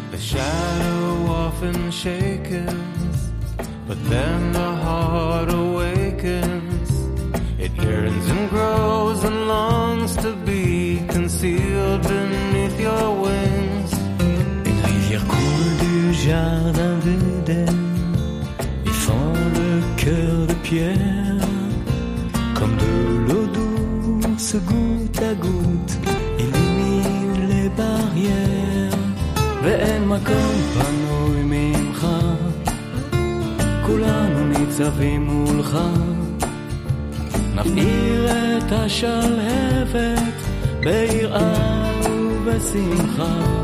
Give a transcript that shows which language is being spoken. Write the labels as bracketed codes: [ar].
[en] Shadow often shakens, but then the heart awakens. It yearns and grows and longs to be concealed beneath your wings. [fr] Une rivière coule du jardin d'Eden, y fend le cœur de pierre. Comme de l'eau douce, goutte à goutte, illumine les barrières. [he] ואין מקום פנוי ממך, כולנו ניצבים מולך, נפעיר את השלהבת ביראה ובשמחה.